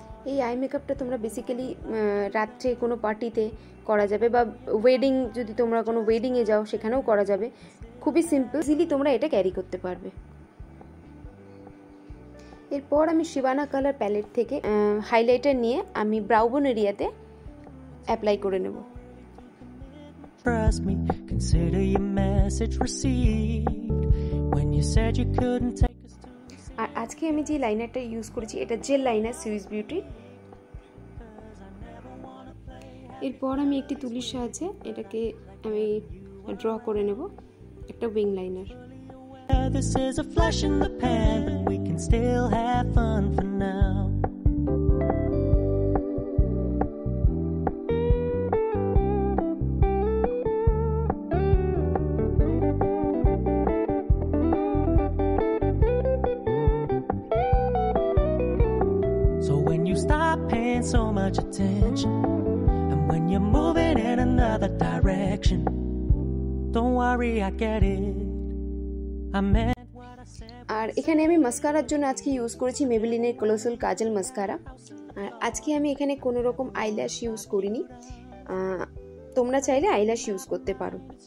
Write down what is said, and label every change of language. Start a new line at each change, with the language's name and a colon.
Bangla: এই আই মেকআপটা তোমরা বেসিক্যালি রাত্রে কোনো পার্টিতে করা যাবে, বা ওয়েডিং, যদি তোমরা কোনো ওয়েডিংয়ে যাও সেখানেও করা যাবে। খুবই সিম্পল, ইজিলি তোমরা এটা ক্যারি করতে পারবে। এরপর আমি সিভানা কালার প্যালেট থেকে হাইলাইটার নিয়ে আমি ব্রাউবন এরিয়াতে অ্যাপ্লাই করে নেব।
English: impress me. Consider your message received. When you said you couldn't take us to see.
Bangla: আর আজকে আমি যে লাইনারটা ইউজ করেছি এটা জেল লাইনার সিরিজ বিউটি। এরপর আমি একটি তুলির সাহায্যে এটাকে আমি ড্র করে নেব একটা wing liner.
English: This is a flash in the pan, but we can still have fun for now. So when you stop paying so much attention, and when you're moving in another direction, don't worry, I get it.
Bangla: আর এখানে আমি মাস্কারার জন্য আজকে use করেছি মেবেলিনের colossal কাজল mascara. আর আজকে আমি এখানে কোনো রকম আইল্যাশ ইউজ করিনি, তোমরা চাইলে আইল্যাশ ইউজ করতে পারো।